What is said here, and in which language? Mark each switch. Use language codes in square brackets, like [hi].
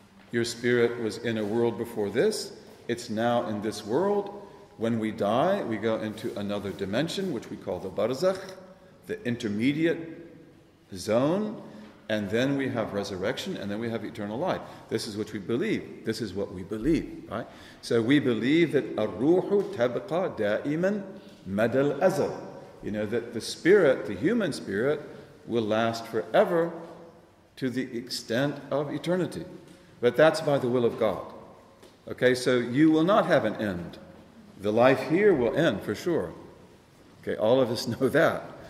[en] Your spirit was in a world before this, it's now in this world. When we die, we go into another dimension, which we call the barzakh, the intermediate zone. And then we have resurrection, and then we have eternal life. This is what we believe. This is what we believe, right? So we believe that [ar] الروحُ تَبْقَى دَائِمًا مَدَى الْأَزَلِ. [en] You know, that the spirit, the human spirit, will last forever to the extent of eternity. But that's by the will of God. Okay, so you will not have an end. The life here will end, for sure. Okay, all of us know that.